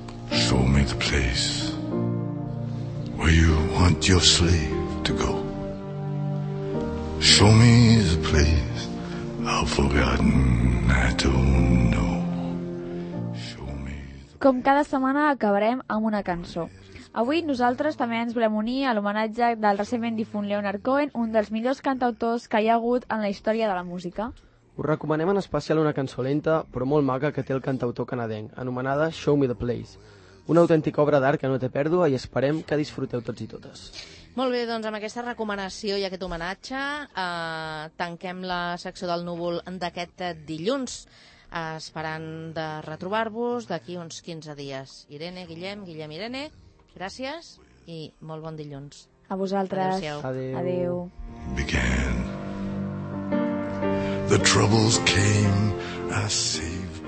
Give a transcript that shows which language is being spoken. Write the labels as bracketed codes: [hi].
[en] Show me the place where you want your sleep. To go. Show me the place I've forgotten, I don't know. Show me the... [ca] Com cada setmana acabarem amb una cançó. Avui nosaltres també ens volem unir a l'homenatge del recentment difunt Leonard Cohen, un dels millors cantautors que hi ha hagut en la història de la música. Us recomanem en especial una cançó lenta, però molt maca, que té el cantautor canadenc, anomenada Show Me the Place. Una autèntica obra d'art que no té pèrdua i esperem que disfruteu tots i totes. Molt bé, doncs amb aquesta recomanació i aquest homenatge tanquem la secció del núvol d'aquest dilluns, esperant de retrobar-vos d'aquí uns 15 dies. Irene, Guillem, Guillem, Irene, gràcies i molt bon dilluns. A vosaltres. Adéu-siau. Adéu. [en] Began. The troubles came, I see.